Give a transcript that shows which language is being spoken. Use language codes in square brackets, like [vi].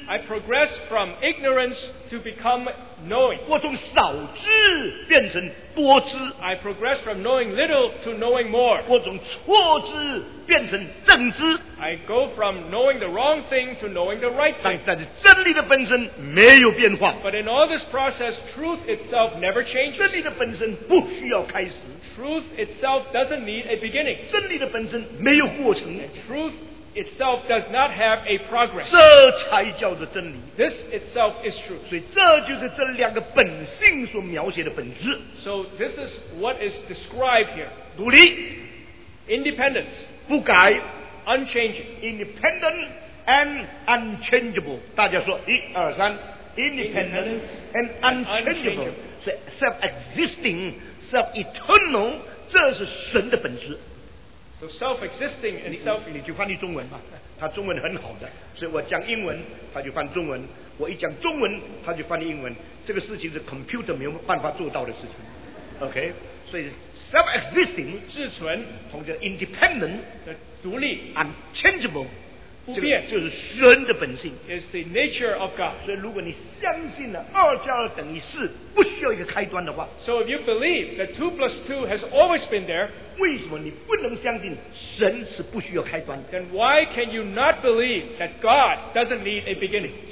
[en] I progress from ignorance to become knowing, [zh] 我从少知变成多知， [en] I progress from knowing little to knowing more, [zh] 我从错知变成正知， [en] I go from knowing the wrong thing to knowing the right thing. [zh] 但是真理的本身没有变化， [en] but in all this process, truth itself never changes. [zh] 真理的本身不需要开始， [en] truth itself doesn't need a beginning. [zh] 真理的本身没有过程， [en] and truthitself does not have a progress. [zh] 这才叫做真理。 [en] This itself is true. [zh] 所以这就是这两个本性所描写的本质。 [en] So this is what is described here. [zh] 独立， [en] independence， [zh] 不改， [en] unchanging， independent and unchangeable。 [zh] 大家说一二三， [en] independence and unchangeable， [zh] 所以 [en] self-existing， self-eternal， [zh] 这是神的本质。 [en] So self-existing and self- [zh] 你就翻译中文吧，他中文很好的，所以我讲英文他就翻中文，我一讲中文他就翻译英文，这个事情是 computer 没有办法做到的事情。 [en] OK， [zh] 所以 [en] self-existing [zh] 自存，同时 independent 独立， [en] unchangeable [zh] 不变, [en] is the nature of God. [zh] 所以如果你相信了, 2+2=4, 不需要一个开端的话, [en] so if you believe that 2 plus 2 has always been there, then why can you not believe that God doesn't need a beginning?